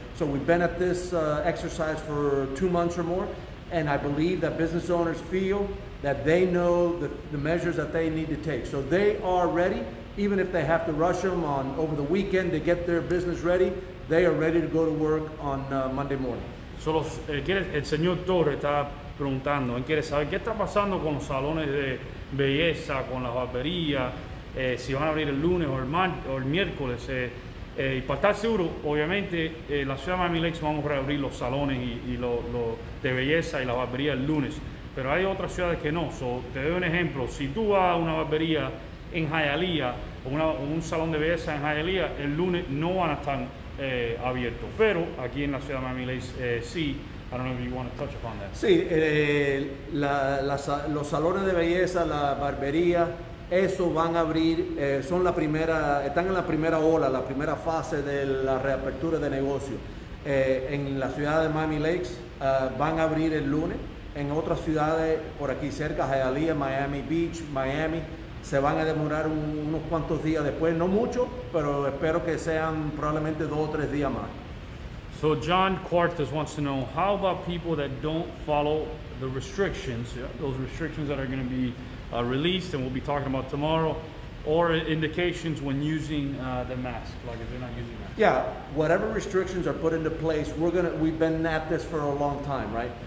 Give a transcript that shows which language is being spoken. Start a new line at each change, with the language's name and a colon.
English: So we've been at this exercise for 2 months or more, and I believe that business owners feel that they know the measures that they need to take. So they are ready, even if they have to rush them on over the weekend to get their business ready, they are ready to go to work on Monday morning.
Spanish: Solo el señor Torres está preguntando, él quiere saber qué está pasando con los salones de belleza, con las barberías, si van a abrir el lunes o el miércoles. Y para estar seguro, obviamente, la ciudad de Miami Lakes vamos a reabrir los salones y de belleza y las barberías el lunes. Pero hay otras ciudades que no. So, te doy un ejemplo. Si tú vas a una barbería en Hialeah, un salón de belleza en Hialeah, el lunes no van a estar abierto, pero aquí en la ciudad de Miami Lakes, sí.
English: I don't know if you want to touch upon that.
Spanish: Sí, los salones de belleza, la barbería, eso van a abrir, son la primera, están en la primera ola, la primera fase de la reapertura de negocio. En la ciudad de Miami Lakes van a abrir el lunes. En otras ciudades por aquí cerca, Hialeah, Miami Beach, Miami, se van a demorar unos cuantos días después, no mucho, pero espero que sean probablemente dos o tres días más.
English: So John Cuartas wants to know, how about people that don't follow the restrictions, those restrictions that are going to be released and we'll be talking about tomorrow, Or indications when using the mask, like if they're not using masks. Yeah, whatever restrictions are put into place, we've been at this for a long time, right?